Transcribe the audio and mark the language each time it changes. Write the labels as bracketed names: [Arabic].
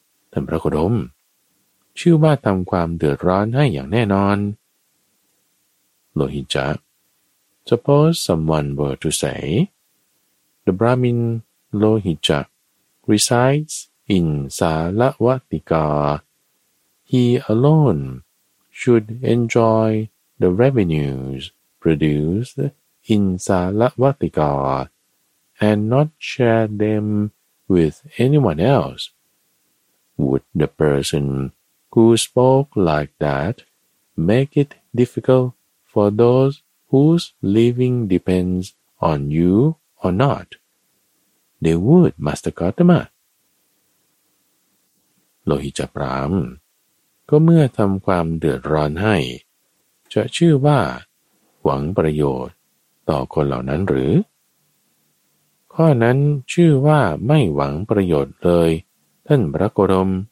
[Thai] ท่านพระโคดมชื่อว่าทำความเดือดร้อนให้อย่างแน่นอนโลหิตจักร [English] Suppose someone were to say The Brahmin Lohicca resides in Salavatika He alone should enjoy the revenues producedIn Salavatika, and not share them with anyone else. Would the person who spoke like that make it difficult for those whose living depends on you or not? They would, Master Gautama. [Thai] Lohicca Pram, ก็เมื่อทำความเดือดร้อนให้จะชื่อว่าหวังประโยชน์ต่อคนเหล่านั้นหรือข้อนั้นชื่อว่าไม่หวังประโยชน์เลยท่านพระโคดม